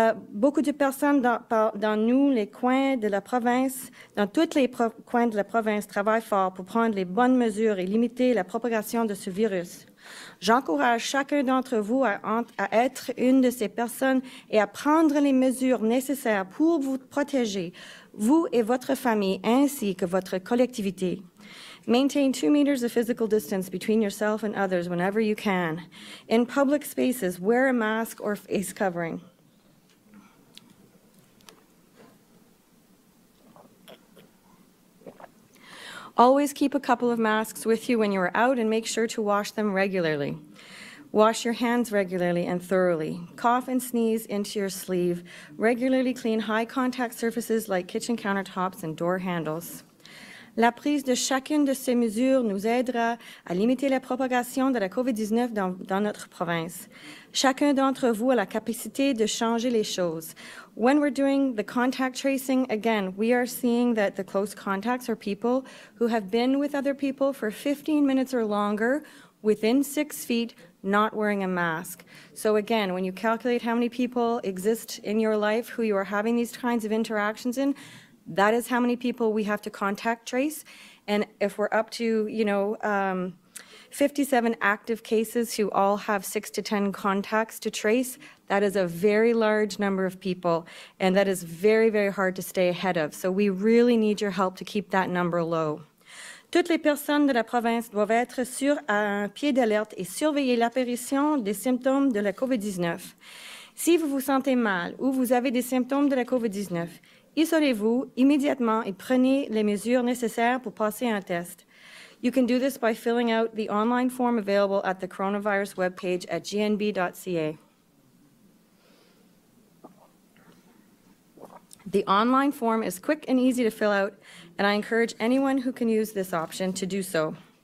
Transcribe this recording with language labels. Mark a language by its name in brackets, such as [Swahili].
[French] Beaucoup de personnes dans les coins de la province, dans tous les coins de la province, travaillent fort pour prendre les bonnes mesures et limiter la propagation de ce virus. J'encourage chacun d'entre vous à être une de ces personnes et à prendre les mesures nécessaires pour vous protéger, vous et votre famille, ainsi que votre collectivité. [English] Maintain 2 meters of physical distance between yourself and others whenever you can. In public spaces, wear a mask or face covering. Always keep a couple of masks with you when you are out and make sure to wash them regularly. Wash your hands regularly and thoroughly. Cough and sneeze into your sleeve. Regularly clean high contact surfaces like kitchen countertops and door handles. [French] La prise de chacune de ces mesures nous aidera à limiter la propagation de la COVID-19 dans notre province. Chacun d'entre vous a la capacité de changer les choses. [English] When we're doing the contact tracing, again, we are seeing that the close contacts are people who have been with other people for 15 minutes or longer within 6 feet, not wearing a mask. So again, when you calculate how many people exist in your life who you are having these kinds of interactions in, that is how many people we have to contact trace. And if we're up to, 57 active cases who all have 6 to 10 contacts to trace, that is a very large number of people. And that is very, very hard to stay ahead of. So we really need your help to keep that number low. [French] Toutes les personnes de la province doivent être sur un pied d'alerte et surveiller l'apparition des symptômes de la COVID-19. Si vous vous sentez mal ou vous avez des symptômes de la COVID-19, isolez-vous immédiatement et prenez les mesures nécessaires pour passer un test. [English] You can do this by filling out the online form available at the coronavirus webpage at gnb.ca. The online form is quick and easy to fill out, and I encourage anyone who can use this option to do so.